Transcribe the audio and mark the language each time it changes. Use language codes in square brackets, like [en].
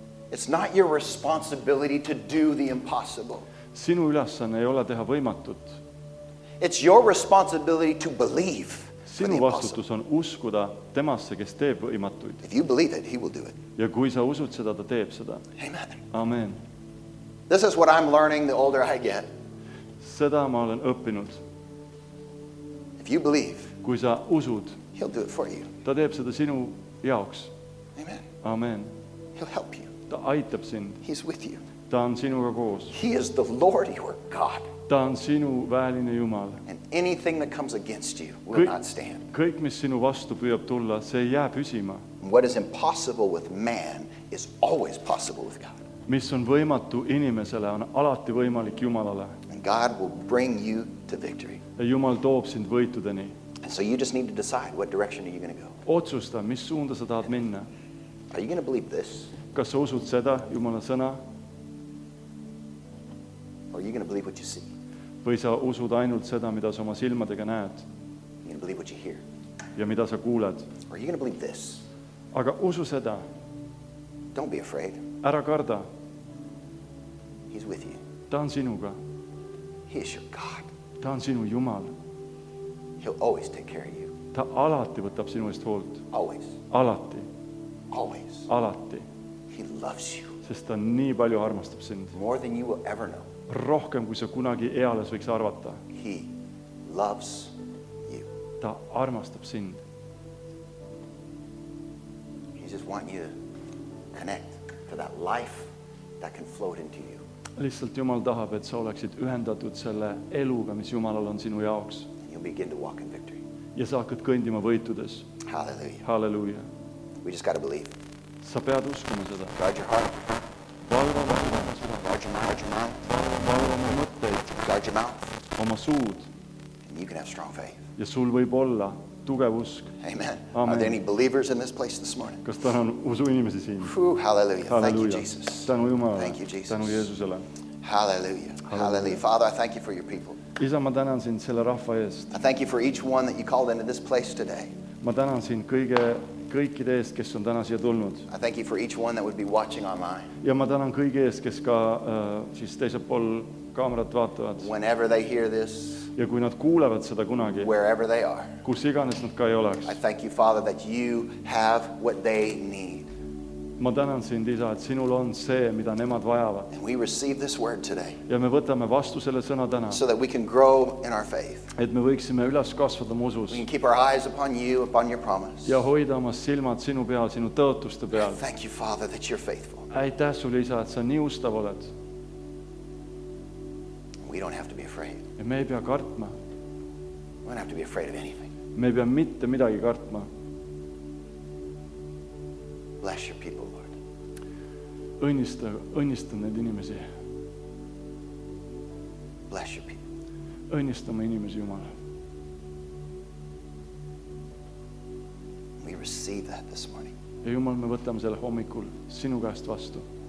[en] It's not your responsibility to do the impossible. [et] Sinu ülesanne ei ole teha võimatut. [en] It's your responsibility to believe. [et] Sinu vastutus on uskuda temasse, kes teeb võimatuid. [en] If you believe it, he will do it. [et] Ja kui sa usud seda, ta teeb seda. [en] Amen. [et] Amen. [en] This is what I'm learning the older I get. [et] Seda ma olen õppinud. [en] If you believe, [et] kui sa usud, [en] he'll do it for you. [et] Ta teeb seda sinu jaoks. [en] Amen. [et] Amen. [en] He'll help you. [et] Ta aitab sind. [en] He's with you. [et] Ta on sinuga koos. [en] He is the Lord your God. [et] Ta on sinu väeline Jumal. [en] And anything that comes against you will kõik, not stand. [et] Kõik, mis sinu vastu püüab tulla, see ei jää püsima. [en] What is impossible with man is always possible with God. [et] Mis on võimatu inimesele, on alati võimalik Jumalale. [en] And God will bring you to victory. [et] Ja Jumal toob sind võitudeni. [en] And so you just need to decide what direction are you going to go. [et] Otsusta, mis suunda sa tahad minna. [en] Are you going to believe this? [et] Kas sa usud seda, Jumala sõna? [en] Or are you going to believe what you see? [et] Või sa usud ainult seda, mida sa oma silmadega näed? [en] You going to believe what you hear? [et] Ja mida sa kuuled? [en] Or are you going to believe this? [et] Aga usu seda. [en] Don't be afraid. [et] Ära karda. [en] He's with you. [et] Ta on sinuga. [en] He is your God. [et] Ta on sinu Jumal. [en] He'll always take care of you. [et] Ta alati võtab sinu eest hoolt. [en] Always. [et] Alati. [en] Always. [et] Alati. [en] He loves you. [et] Sest ta nii palju armastab sind. [en] More than you will ever know. [et] Rohkem kui sa kunagi eales võiks arvata. [en] He loves you. [et] Ta armastab sind. [en] He just wants you to connect to that life that can flow into you. [et] Lihtsalt Jumal tahab, et sa oleksid ühendatud selle eluga, mis Jumalal on sinu jaoks. [en] You'll begin to walk in victory. [et] Ja sa hakkad kõndima võitudes. [en] Hallelujah. [et] Hallelujah. [en] We just got to believe. [et] Sa pead uskuma seda. [en] Guard your heart. [et] Valva oma mõtteid. Valva oma mõtteid. [en] Guard your mouth. [et] Oma suud. [en] And you can have strong faith. [et] Ja sul võib olla tugev usk. [en] Amen. [et] Amen. [en] Are there any believers in this place this morning? [et] Kas täna on usu inimesi siin? [en] Hallelujah. Thank you, Jesus. [et] Tänu Jumala. [en] Thank you, Jesus. [et] Tänu Jeesusele. [en] Hallelujah. Hallelujah. Father, I thank you for your people. [et] Isa, ma tänan sind selle rahva eest. [en] I thank you for each one that you called into this place today. [et] Ma tänan sind kõige... kõikide eest, kes on täna siia tulnud. [en] I thank you for each one that would be watching online. [et] Ja ma tänan kõige eest, kes ka siis teisepool kaamerat vaatavad. [en] Whenever they hear this. [et] ja kui nad kuulevad seda kunagi, [en] wherever they are. [et] Kus iganes nad ka ei oleks. [en] I thank you, Father, that you have what they need. [et] Ma tänan sind, Isa, et sinul on see, mida nemad vajavad. [en] And we receive this word today. [et] Ja me võtame vastu selle sõna täna. [en] So that we can grow in our faith. [et] Et me võiksime üles kasvada usus. [en] We can keep our eyes upon you, upon your promise. [et] Ja hoida oma silmad sinu peal, sinu tõotuste peal. [en] I thank you, Father, that you're faithful. [et] Aitäh sul, Isa, et sa nii ustav oled. [en] We don't have to be afraid. [et] Ja me ei pea kartma. [en] We don't have to be afraid of anything. [et] Me ei pea mitte midagi kartma. [en] Bless your people, Lord. [et] Õnnista neid inimesi. [en] Bless your people. [et] Õnnistame inimesi, Jumala. [en] We receive that this morning. [et] Ja Jumal, me võtame selle hommikul sinu käest vastu.